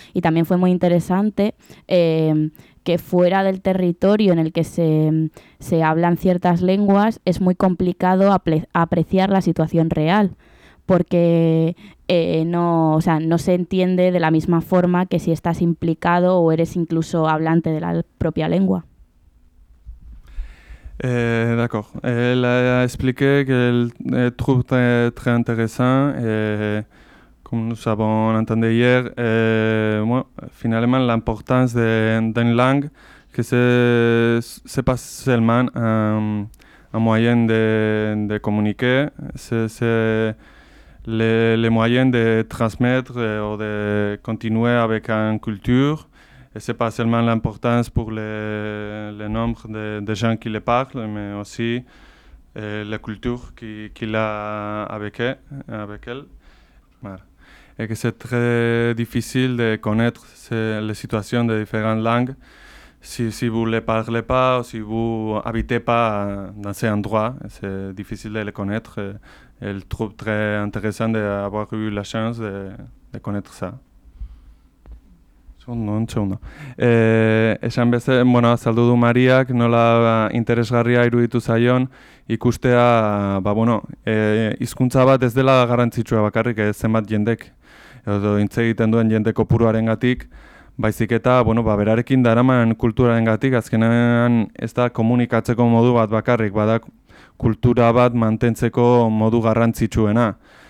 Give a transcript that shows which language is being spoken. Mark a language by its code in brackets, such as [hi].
[es] Y también fue muy interesante que fuera del territorio en el que se hablan ciertas lenguas es muy complicado apreciar la situación real porque no se entiende de la misma forma que si estás implicado o eres incluso hablante de la propia lengua. [fr] D'accord. Elle a expliqué qu'elle trouve très intéressant, comme nous avons entendu hier, finalement l'importance d'une langue, que ce n'est pas seulement un moyen de communiquer, c'est le moyen de transmettre ou de continuer avec une culture, Et c'est pas seulement l'importance pour le nombre de gens qui le parlent, mais aussi la culture qu'il a avec elle. Voilà. Et que c'est très difficile de connaître les situations des différentes langues si vous ne les parlez pas ou si vous n'habitez pas dans ces endroits. C'est difficile de les connaître. Elle trouve très intéressant d'avoir eu la chance de connaître ça. Zondo. [eu] Esan beste, bueno, azaldu du Mariak, nola interesgarria iruditu zaion, ikustea, ba, bueno, hizkuntza bat ez dela garrantzitsua bakarrik, zenbat jendek, edo hitz egiten duen jende kopuruaren gatik, baizik eta, bueno, ba, berarekin daraman kulturaren gatik, azkenean ez da komunikatzeko modu bat bakarrik, bada kultura bat mantentzeko modu garrantzitsuena.